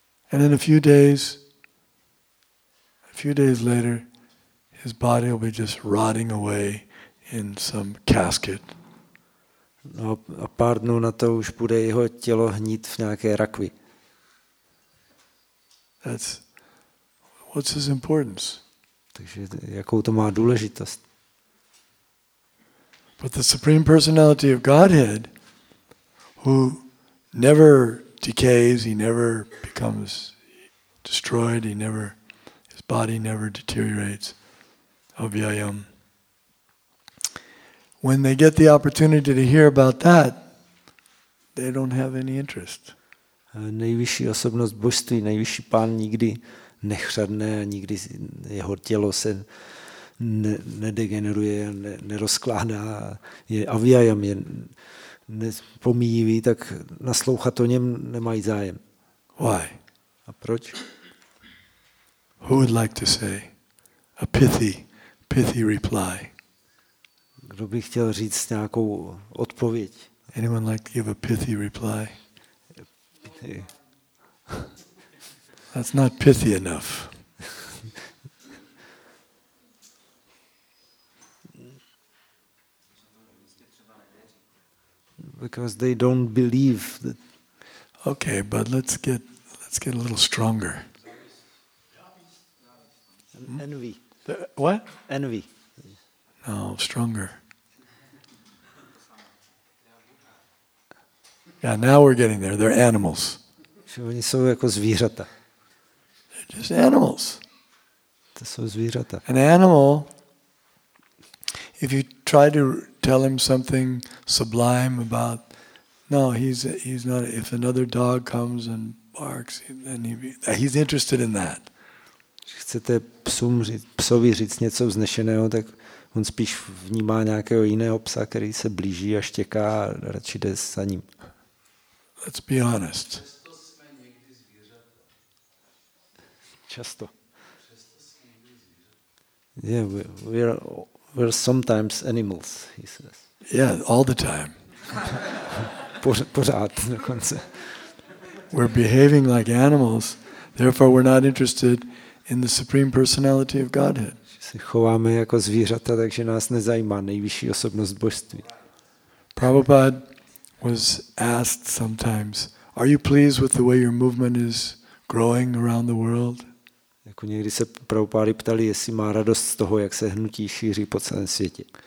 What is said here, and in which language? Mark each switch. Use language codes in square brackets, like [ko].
[en] And in a few days later, his body will be just rotting away in some casket. [cs] No, a pár dnů na to už bude jeho tělo hnít v nějaké rakvi. [en] That's what's his importance. [cs] Takže jakou to má důležitost? [en] But the Supreme Personality of Godhead, who never decays, he never becomes destroyed, he never, his body never deteriorates, avyayam. When they get the opportunity to hear about that, they don't have any interest. [cs] Nejvyšší osobnost božství, nejvyšší pán nikdy nechřadne a nikdy jeho tělo se nedegeneruje, nerozkládá, je avyayam, je nepomíjivý, tak naslouchat o něm nemají zájem. [en] Why? [cs] A proč? [en] Who would like to say a pithy reply? [cs] Kdo by chtěl říct nějakou odpověď? [en] Anyone like to give a pithy reply? Pithy. That's not pithy enough. Because they don't believe that. Okay, but let's get a little stronger. Envy. What? Envy. No, stronger. Yeah, now we're getting there. They're animals. [cs] Oni jsou jako zvířata. [en] They're just animals. [cs] To jsou zvířata. [en] An animal, if you try to tell him something sublime about, no, he's not. If another dog comes and barks, then he's interested in that. [cs] Chcete psovi říct něco vznešeného, tak on spíš vnímá nějakého jiného psa, který se blíží a štěká a radši jde za ním. [en] Let's be honest. [cs] Často. [en] Yeah, we're sometimes animals, he says. Yeah, all the time. [cs] Pořád, dokonce. [en] We're behaving like animals, therefore we're not interested in the Supreme Personality of Godhead. [cs] Se chováme jako zvířata, takže nás nezajímá nejvyšší osobnost božství. [en] Prabhupada was asked sometimes, are you pleased with the way your movement is growing around the world? [cs] Jako někdy se Prabhupády ptali, jestli má radost z toho, jak se hnutí šíří po celém světě.